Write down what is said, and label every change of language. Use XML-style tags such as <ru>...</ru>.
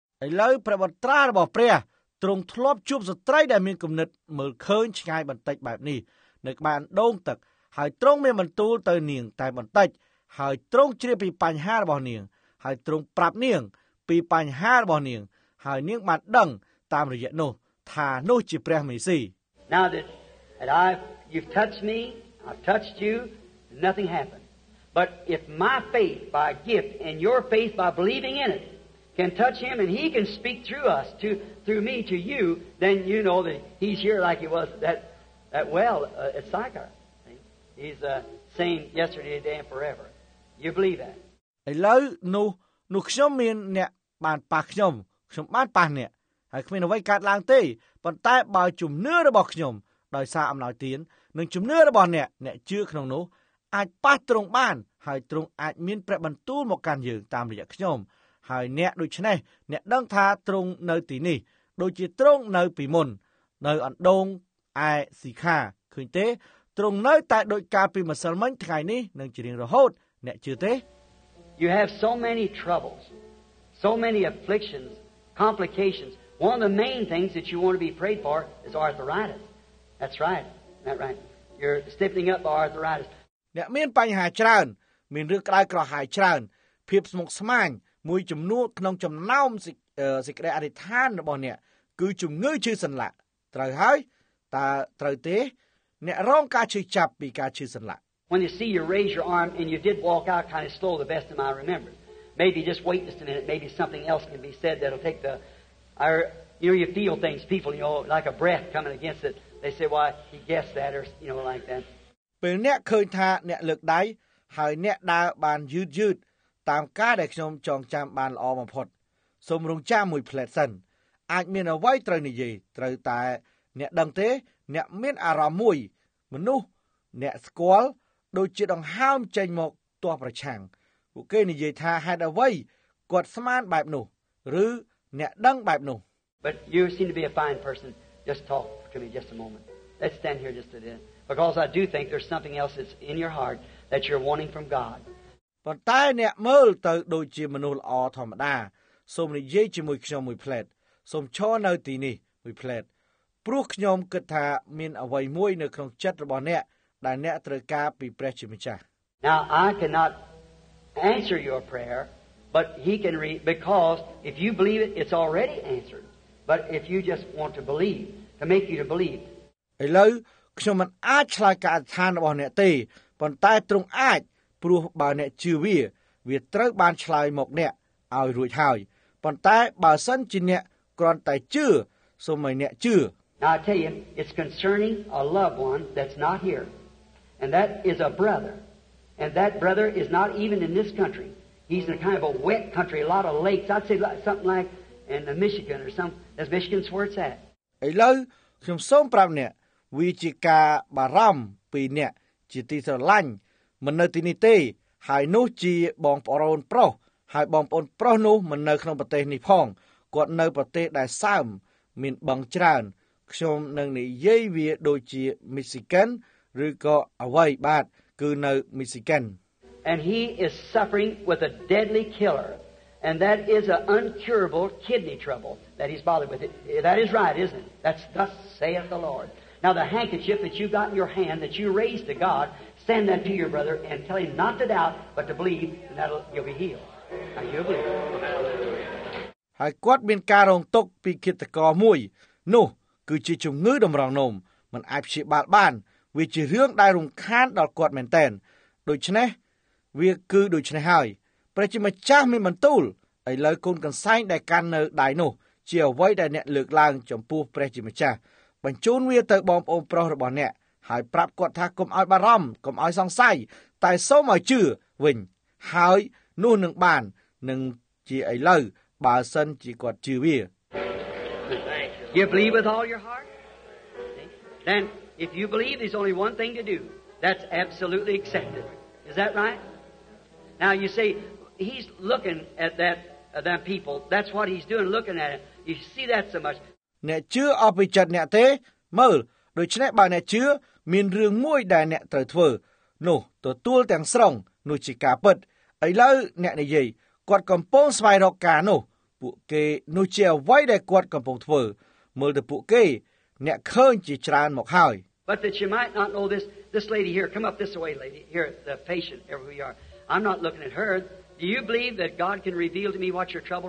<km>ឥឡូវព្រះបន្ទ្រារបស់ព្រះទ្រង់ធ្លាប់ជួបស្ត្រីដែលមានគំនិតមើលឃើញឆ្ងាយបន្តិចបែបនេះនៅក្បែរដងទឹកហើយទ្រង់មានបន្ទូលទៅនាងតែបន្តិចហើយទ្រង់ជ្រាបពីបញ្ហារបស់នាងហើយទ្រង់ប្រាប់នាងពីបញ្ហារបស់នាងហើយនាងបានដឹងតាមរយៈនោះថានោះជាព្រះមេស៊ី</km> <en>Now that you've touched me, I've touched you, nothing happened. But if my faith by gift and your faith by believing in it can touch him and he can speak through us to through me to you, then you know that he's here like he was that well at Sychar. He's the same yesterday, today and forever. You believe that?</en> <km>ឥឡូវនោះខ្ញុំមានអ្នកបានប៉ះខ្ញុំបានប៉ះអ្នកហើយគ្មានអ្វីកើតឡើងទេប៉ុន្តែបើជំនឿរបស់ខ្ញុំដោយសារអំណោយទាននិងជំនឿរបស់អ្នកជឿក្នុងនោះអាចប៉ះទ្រង់បានហើយទ្រង់អាចមានព្រះបន្ទូលមកកាន់យើងតាមរយៈខ្ញុំហើយអ្នកដូចនេះអ្នកដឹងថាទ្រង់នៅទីនេះដូចជាទ្រង់នៅពីមុននៅអណ្ដូងឯស៊ីខាឃើញទេទ្រង់នៅតែដូចកាលពីម្សិលមិញថ្ងៃនេះនឹងជារៀងរហូតអ្នកជឿទេ</km> <en>You have so many troubles so many afflictions complications one of the main things that you want to be prayed for is arthritis that's right that right you're stiffening up by arthritis</en> <km>អ្នកមានបញ្ហាច្រើនមានរឿងក្តៅក្រហាយច្រើនភាពស្មុគស្មាញមួយចំនួនក្នុងចំណោមសេចក្តីអធិដ្ឋានរបស់អ្នកគឺជំងឺឈឺសន្លាក់ត្រូវហើយតើត្រូវទេអ្នករងការឈឺចាប់ពីការឈឺសន្លាក់</km> <en>When you see you raise your arm and you did walk out kind of slow the best of my remember maybe just wait just a minute maybe something else can be said that'll take the I you know you feel things people you know like a breath coming against it they say why he guessed that or you know like that</en> <km>ពេលអ្នកឃើញថាអ្នកលើកដៃហើយអ្នកដើរបានយឺតយឺតតាមការដែលខ្ញុំចងចាំបានល្អបំផុតសូមរងចាំមួយផ្លែតសិនអាចមានអ្វីត្រូវនិយាយត្រូវតែអ្នកដឹងទេអ្នកមានអារម្មណ៍មួយមនុស្សអ្នកស្គាល់ដូចជាដង្ហើមចេញមកទាស់ប្រឆាំងពួកគេនិយាយថាហេតុអ្វីគាត់ស្មានបែបនោះឬអ្នកដឹងបែបនោះ</km> <en>But you seem to be a fine person just talk to me just a moment let's stand here just a minute because I do think there's something else that's in your heart that you're wanting from God</en> <km>ប៉ុន្តែអ្នកមើលទៅដូចជាមនុស្សល្អធម្មតាសូមនិយាយជាមួយខ្ញុំមួយផ្លែតសូមឈរនៅទីនេះមួយផ្លែតព្រោះខ្ញុំគិតថាមានអ្វីមួយនៅក្នុងចិត្តរបស់អ្នកដែលអ្នកត្រូវការពីព្រះជាម្ចាស់</km> <en>Now I cannot answer your prayer but he can read because if you believe it it's already answered but if you just want to believe to make you to believe</en> <km>ឥឡូវខ្ញុំមិនអាចឆ្លើយការអធិដ្ឋានរបស់អ្នកទេប៉ុន្តែទ្រង់អាចព្រោះបើអ្នកជឿវាត្រូវបានឆ្លើយមកអ្នកឲ្យរួចហើយប៉ុន្តែបើសិនជាអ្នកគ្រាន់តែជឿសូមឲ្យអ្នកជឿ</km> <en>Now I tell you, it's concerning a loved one that's not here and that is a brother and that brother is not even in this country he's in a kind of a wet country a lot of lakes I'd say something like in the Michigan or some as Michigan's where it's at</en> <km>ឥឡូវខ្ញុំសូមប្រាប់អ្នកវាជាការបារម្ភពីអ្នកជាទីស្រឡាញ់មិននៅទីនេះទេហើយនោះជាបងប្អូនប្រុសហើយបងប្អូនប្រុសនោះមិននៅក្នុងប្រទេសនេះផងគាត់នៅប្រទេសដែលសើមមានបឹងច្រើនខ្ញុំនឹងនិយាយវាដូចជា Michigan ឬក៏អ្វីបាទគឺនៅ Michigan</km> <en>And he is suffering with a deadly killer and that is an incurable kidney trouble that he's bothered with it. That is right isn't it That's thus saith the Lord Now the handkerchief that you've got in your hand that you raised to God, send that to your brother and tell him not to doubt, but to believe, and that'll you'll be healed. Now you believe.</en> <km>ហើយគាត់មានការរងទុក្ខពីឃាតករមួយនោះគឺជាជំងឺតម្រងនោមមិនអាចព្យាបាលបានវាជារឿងដែលរំខានដល់គាត់មែនតើដូច្នេះ វាគឺដូច្នេះហើយព្រះជាម្ចាស់មានបន្ទូលឥឡូវកូនកន្សែងដែលកាន់នៅដៃនោះជាអ្វីដែលអ្នកលើកឡើងចំពោះព្រះជាម្ចាស់បញ្ជូនវាទៅបងប្អូនប្រុសរបស់អ្នកហើយប្រាប់គាត់ថាកុំឲ្យបារម្ភកុំឲ្យសង្ស័យតែសូមឲ្យជឿវិញហើយនោះនឹងបាននឹងជាឥឡូវបើសិនជាគាត់ជឿវា</km> <en>You believe with all your heart? then if you believe there's only one thing to do, that's absolutely accepted. Is that right? Now you see, he's looking at that them people. That's what he's doing, looking at it. You see that so much.</en> <km>អ្នកជឿអពិចិត្តអ្នកទេមើលដូច្នេះបើអ្នកជឿមានរឿងមួយដែលអ្នកត្រូវធ្វើនោះទទួលទាំងស្រុងនោះជាការពិតឥឡូវអ្នកនិយាយគាត់កំពុងស្វែងរកការនោះពួកគេនោះជាអ្វីដែលគាត់កំពុងធ្វើមើលទៅពួកគេអ្នកឃើញជាច្រើនមកហើយ</km> <en>But that you might not know this, this lady here, come up this way, lady here, the patient, here we are. I'm not looking at her. Do you believe that God can reveal to me what your trouble?</en>